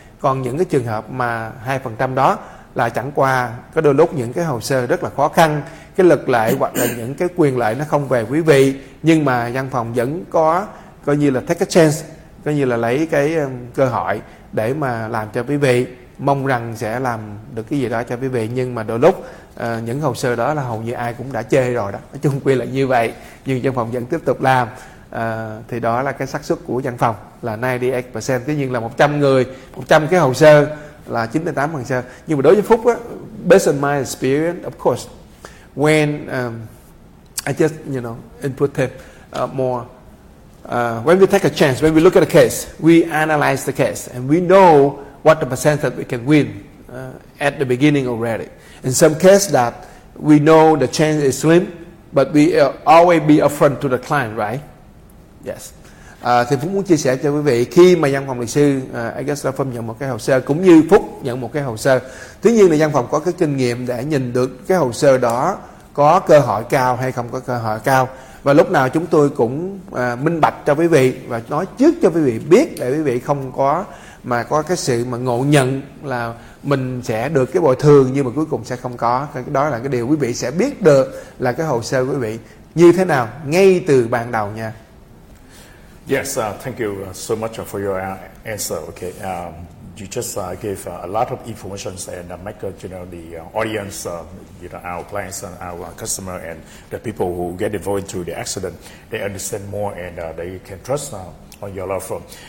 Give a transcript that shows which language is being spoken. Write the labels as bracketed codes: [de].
[vi] Còn những cái trường hợp mà 2% đó là chẳng qua có đôi lúc những cái hồ sơ rất là khó khăn, cái lực lệ hoặc là những cái quyền lợi nó không về quý vị, nhưng mà văn phòng vẫn có coi như là [en] take a chance, [vi] coi như là lấy cái cơ hội để mà làm cho quý vị, mong rằng sẽ làm được cái gì đó cho quý vị. Nhưng mà đôi lúc những hồ sơ đó là hầu như ai cũng đã chê rồi đó, nói chung quy là như vậy, nhưng văn phòng vẫn tiếp tục làm. Thì đó là cái xác suất của văn phòng là 98%, tất nhiên là 100 người 100 cái hồ sơ là 98 hồ sơ. Nhưng mà đối với Phúc á, [en] based on my experience, of course when I just, you know, input them more, when we take a chance, when we look at a case, we analyze the case and we know what the percentage that we can win at the beginning already. In some case that we know the chance is slim, but we always be upfront to the client, right? Yes. [vi] Thì Phúc muốn chia sẻ cho quý vị, khi mà văn phòng luật sư Agruss Law Firm nhận một cái hồ sơ, cũng như Phúc nhận một cái hồ sơ, tuy nhiên là văn phòng có cái kinh nghiệm để nhìn được cái hồ sơ đó có cơ hội cao hay không có cơ hội cao. Và lúc nào chúng tôi cũng minh bạch cho quý vị và nói trước cho quý vị biết, để quý vị không có mà có cái sự mà ngộ nhận là mình sẽ được cái bồi thường nhưng mà cuối cùng sẽ không có. Đó là cái điều quý vị sẽ biết được là cái hồ sơ quý vị như thế nào ngay từ ban đầu nha. [en] Yes, thank you so much for your answer. Okay, you just gave a lot of information and make you know the audience, you know, our clients and our customer and the people who get involved into the accident, they understand more and they can trust on your law firm.